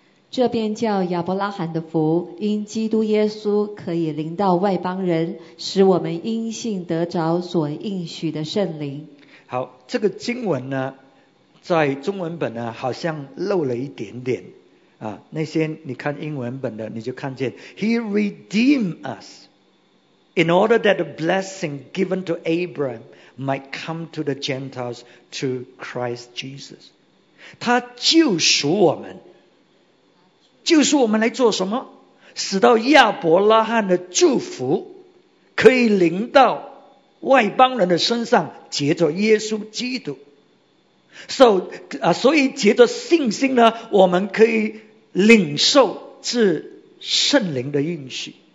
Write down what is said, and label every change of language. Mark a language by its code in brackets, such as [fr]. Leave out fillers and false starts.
[zh] 这便叫亚伯拉罕的福，因基督耶稣可以临到外邦人，使我们因信得着所应许的圣灵。好，这个经文呢，在中文本呢，好像漏了一点点啊。那些你看英文本的，你就看见 [en] He redeemed us in order that the blessing given to Abraham might come to the Gentiles through Christ Jesus. [zh] 他救赎我们。就是我们来做什么？使到亚伯拉罕的祝福可以临到外邦人的身上，藉着耶稣基督。所以藉着信心呢，我们可以领受至圣灵的应许。